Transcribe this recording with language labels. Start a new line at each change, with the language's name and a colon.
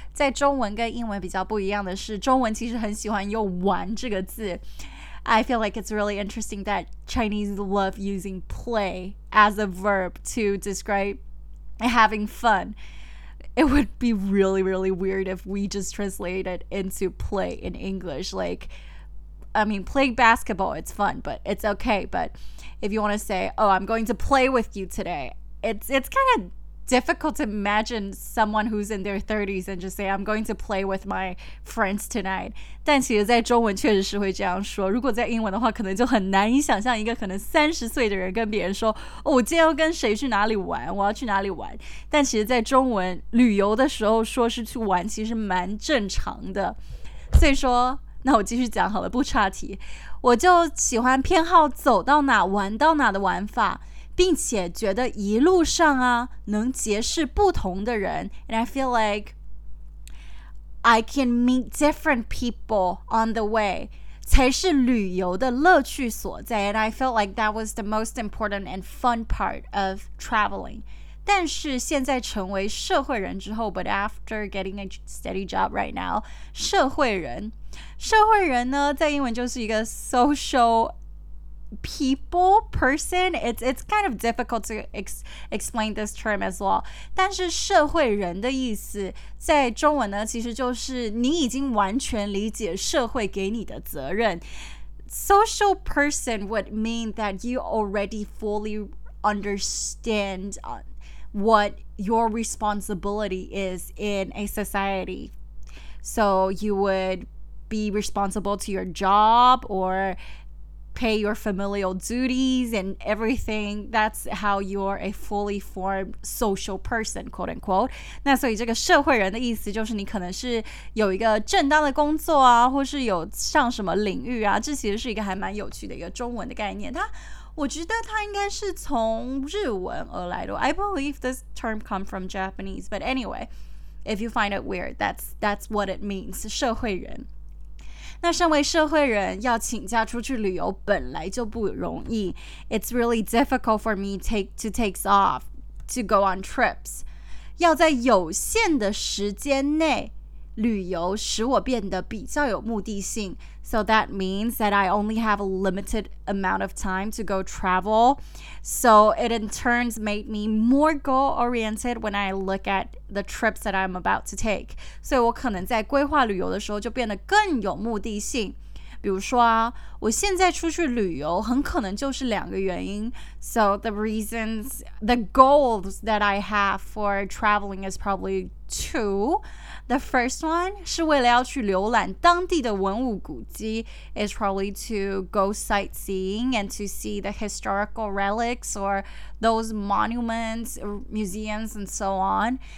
Chinese: 在中文跟英文比较不一样的是, 中文其实很喜欢用玩这个字。
English: I feel like it's really interesting that Chinese love using play as a verb to describe having fun. It would be really, really weird if we just translated it into play in English. Like, I mean, playing basketball, it's fun, but it's okay. But if you want to say, oh, I'm going to play with you today, it's kind of difficult to imagine someone who's in their 30s and just say, I'm going to play with my friends tonight.
Chinese: 但其实在中文确实是会这样说。如果在英文的话，可能就很难以想象一个可能30岁的人跟别人说，哦，我今天要跟谁去哪里玩，我要去哪里玩。但其实在中文旅游的时候说是去玩，其实蛮正常的。所以说，那我继续讲好了，不岔题。我就喜欢偏好走到哪玩到哪的玩法，并且觉得一路上啊能结识不同的人。
English: And I feel like I can meet different people on the way
Chinese: 才是旅游的乐趣所在。
English: And I felt like that was the most important and fun part of traveling.
Chinese: 但是现在成为社会人之后，
English: But after getting a steady job right now,
Chinese: 社会人呢在英文就是一个
English: social people, person, it's kind of difficult to explain this term as well.
Chinese: 但是社会人的意思在中文呢其实就是你已经完全理解社会给你的责任。
English: Social person would mean that you already fully understand what your responsibility is in a society. So you would be responsible to your job orpay your familial duties and everything. That's how you're a fully formed social person, quote unquote.
Chinese: 那所以这个社会人的意思就是你可能是有一个正当的工作啊，或是有上什么领域啊，这其实是一个还蛮有趣的一个中文的概念。我觉得它应该是从日文而来的。
English: I believe this term come from Japanese, but anyway, if you find it weird, that's what it means, 社会人。
Chinese: 那身为社会人要请假出去旅游本来就不容易。
English: It's really difficult for me to take off to go on trips.
Chinese: 要在有限的时间内旅游使我变得比较有目的性。
English: So that means that I only have a limited amount of time to go travel. So it in turn made me more goal oriented when I look at the trips that I'm about to take.
Chinese: 所以我可能在规划旅游的时候就变得更有目的性。比如说啊，我现在出去旅游很可能就是两个原因。
English: So the reasons, the goals that I have for traveling is probably two. The first one
Chinese: 是为了要去浏览当地的文物古迹，
English: is probably to go sightseeing and to see the historical relics or those monuments, museums and so on.